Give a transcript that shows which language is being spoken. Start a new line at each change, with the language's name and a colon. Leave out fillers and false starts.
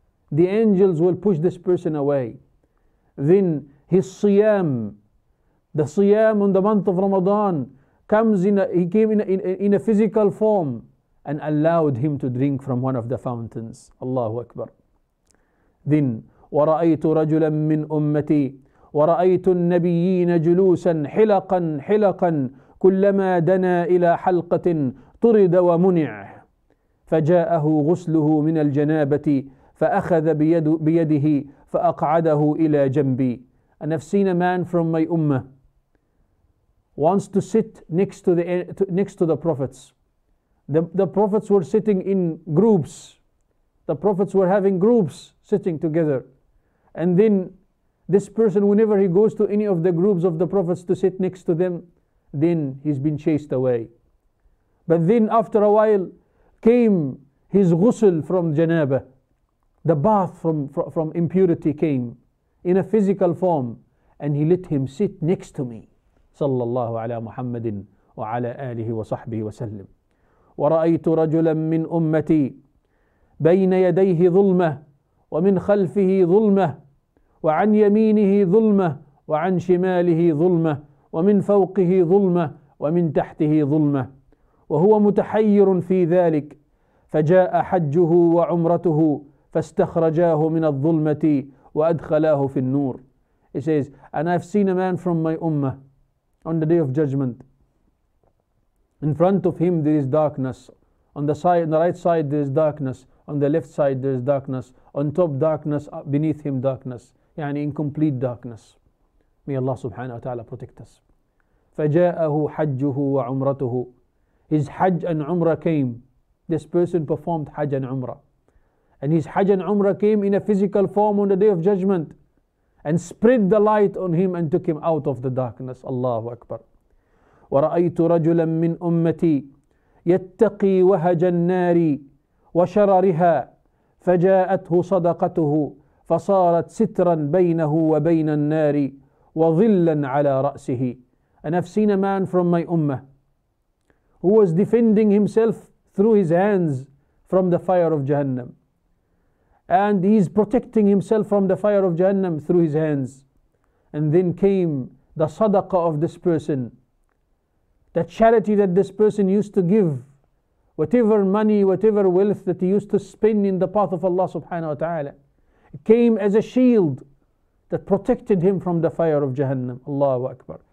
English: The angels will push this person away. Then his siyam, the siyam on the month of Ramadan, came in a physical form and allowed him to drink from one of the fountains.
Arabic: Allahu Akbar.
English: Then,
Arabic: ورأيت رجلا من أمتي ورأيت النبيين جلوسا حلقا حلقا كلما دنا إلى حلقة طرد ومنع فجاءه غسله من الجنابة فأخذ بيده فأقعده إلى جنبي.
English: And I've seen a man from my ummah wants to sit next to the prophets. The prophets were sitting in groups. The prophets were having groups sitting together. And then this person, whenever he goes to any of the groups of the prophets to sit next to them, then he's been chased away. But then after a while came his ghusl from janabah. The bath from impurity came in a physical form. And he let him sit next to me.
Arabic: Sallallahu ala Muhammadin wa ala alihi wa sahbihi wa sallim. ورأيت رجلا من أمتي بين يديه ظلمة ومن خلفه ظلمة وعن يمينه ظلمة وعن شماله ظلمة ومن فوقه ظلمة ومن تحته ظلمة وهو متحير في ذلك فجاء حجه وعمرته فاستخرجاه من الظلمة وأدخلاه في النور.
English: He says, and I've seen a man from my ummah on the day of judgment. In front of him there is darkness. On the side, on the right side there is darkness. On the left side there is darkness. On top darkness, beneath him darkness.
Arabic: يعني
English: in complete darkness. May Allah subhanahu wa ta'ala protect us.
Arabic: فجاءه حجه وعمرته.
English: His hajj and umrah came. This person performed hajj and umrah. And his hajj and umrah came in a physical form on the day of judgment. And spread the light on him and took him out of the darkness.
Arabic: Allahu Akbar. ورأيت رجلا من أمتي يتقي وهج النار وشررها فجاءته صدقته فصارت سترا بينه وبين النار وظلا على رأسه.
English: And I've seen a man from my ummah who was defending himself through his hands from the fire of Jahannam. And he is protecting himself from the fire of Jahannam through his hands. And then came the sadaqah of this person. The charity that this person used to give, whatever money, whatever wealth that he used to spend in the path of Allah subhanahu wa ta'ala, came as a shield that protected him from the fire of Jahannam.
Arabic: Allahu Akbar.